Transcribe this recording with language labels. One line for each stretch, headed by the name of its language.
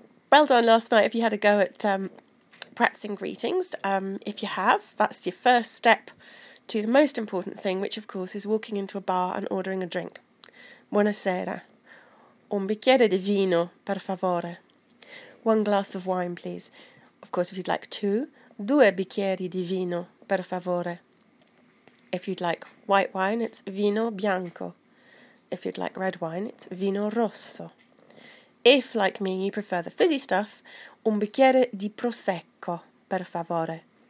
English: Well done last night if you had a go at practicing greetings. If you have, that's your first step to the most important thing, which of course is walking into a bar and ordering a drink.
Italian: Buonasera. Un bicchiere di vino, per favore.
English: One glass of wine, please. Of course, if you'd like two,
Italian: due bicchieri di vino, per favore.
English: If you'd like white wine, it's vino bianco. If you'd like red wine, it's vino rosso. If, like me, you prefer the fizzy stuff,
Italian: un bicchiere di prosecco, per favore.